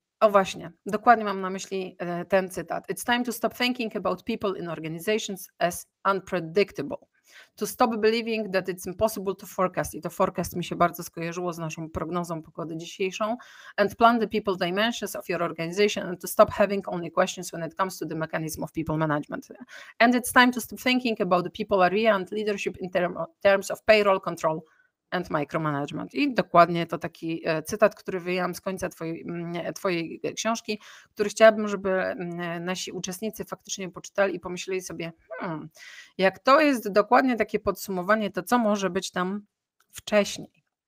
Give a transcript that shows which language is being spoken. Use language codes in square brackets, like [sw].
[pl] Właśnie, dokładnie mam na myśli ten cytat. [en] It's time to stop thinking about people in organizations as unpredictable. To stop believing that it's impossible to forecast. [pl] I to forecast mi się bardzo skojarzyło z naszą prognozą pogody dzisiejszą. [en] And plan the people dimensions of your organization and to stop having only questions when it comes to the mechanism of people management. And it's time to stop thinking about the people area and leadership in terms of payroll control and micromanagement. [pl] I dokładnie to taki cytat, który wyjęłam z końca twojej książki, który chciałabym, żeby nasi uczestnicy faktycznie poczytali i pomyśleli sobie, jak to jest dokładnie takie podsumowanie, to co może być tam wcześniej.